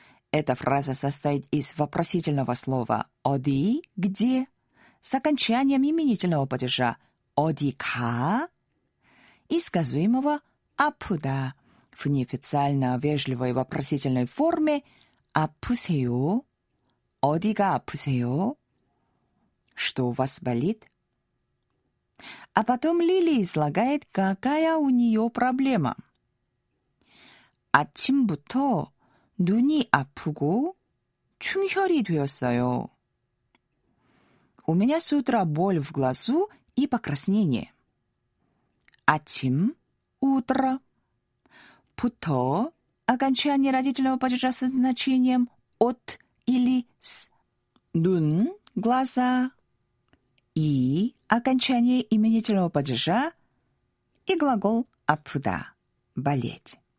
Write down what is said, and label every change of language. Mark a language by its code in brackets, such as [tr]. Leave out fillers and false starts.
[ru] Эта фраза состоит из вопросительного слова 어디, где, с окончанием именительного падежа 어디가 и сказуемого 아프다 в неофициально вежливой вопросительной форме 아프세요, [ko] 어디가 아프세요? [ru] Что у вас болит? А потом Лили излагает, какая у нее проблема. [ko] 아침부터 눈이 아프고 충혈이 되었어요. [ru] У меня с утра боль в глазу и покраснение. 아침, утро. 부터, окончание родительного падежа со значением от или с. 눈, глаза. И окончание именительного падежа и глагол «апуда» – «болеть».